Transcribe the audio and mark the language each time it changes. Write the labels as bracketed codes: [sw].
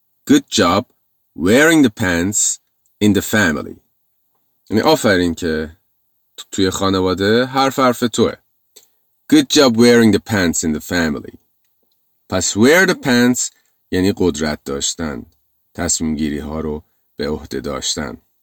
[en] Good job wearing the pants in the family. [fa] یعنی آفرین که توی خانواده حرف توه. [en] Good job wearing the pants in the family. [fa] پس wear the pants یعنی قدرت داشتن، تصمیم گیری ها رو به عهده داشتن.